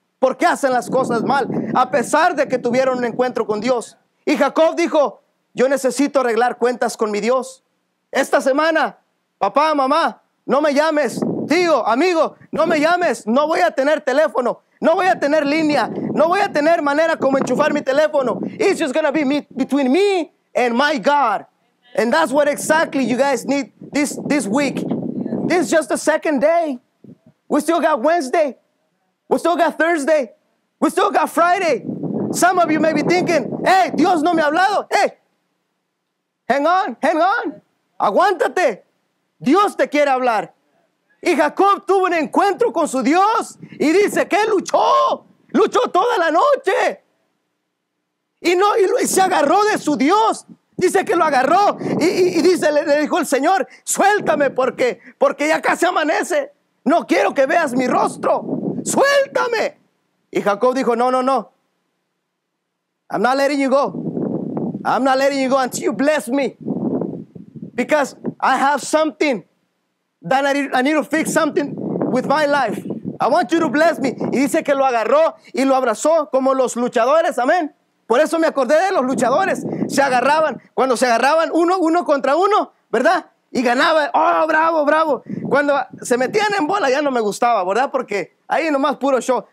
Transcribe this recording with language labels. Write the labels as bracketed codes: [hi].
[es] ¿Por qué hacen las cosas mal? A pesar de que tuvieron un encuentro con Dios. Y Jacob dijo, yo necesito arreglar cuentas con mi Dios. Esta semana, papá, mamá, no me llames. Tío, amigo, no me llames. No voy a tener teléfono. No voy a tener línea. No voy a tener manera como enchufar mi teléfono. [en] It's just going to be between me and my God. And that's what exactly you guys need this week. This is just the second day. We still got Wednesday. We still got Thursday. We still got Friday. Some of you may be thinking, hey, [es] Dios no me ha hablado. [en] Hey, hang on. [es] Aguántate. Dios te quiere hablar. Y Jacob tuvo un encuentro con su Dios. Y dice que luchó. Luchó toda la noche. Y se agarró de su Dios. Dice que lo agarró. Y dice, le dijo el Señor, suéltame porque ya casi amanece. No quiero que veas mi rostro. Suéltame. Y Jacob dijo, no. [en] I'm not letting you go. I'm not letting you go until you bless me. Because I have something that I need to fix something with my life. I want you to bless me. [es] Y dice que lo agarró y lo abrazó como los luchadores. Amén. Por eso me acordé de los luchadores. Se agarraban. Cuando se agarraban uno contra uno, ¿verdad? Y ganaba. Oh, bravo, bravo. Cuando se metían en bola ya no me gustaba, ¿verdad? Porque ahí nomás puro show.